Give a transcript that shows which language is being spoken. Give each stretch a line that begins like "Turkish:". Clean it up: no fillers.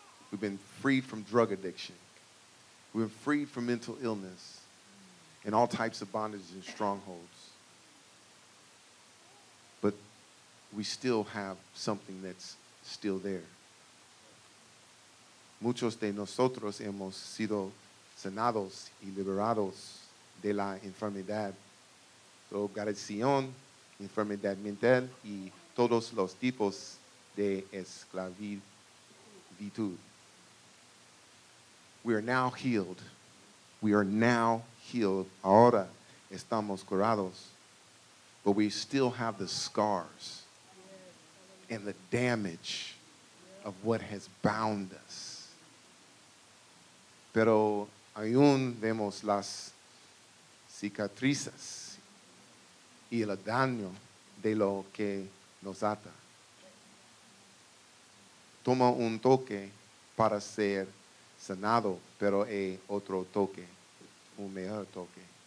English: We've been freed from drug addiction. We've been freed from mental illness and all types of bondages and strongholds. But we still have something that's still there.
Spanish: Muchos de nosotros hemos sido sanados y liberados de la enfermedad. So, adicción, enfermedad mental y todos los tipos de esclavitud.
English: We are now healed. We are now healed.
Spanish: Ahora estamos curados.
English: But we still have the scars and the damage of what has bound us.
Spanish: Pero aún vemos las cicatrices y el daño de lo que nos ata. Toma un toque para ser sanado, pero hay otro toque, un mejor toque.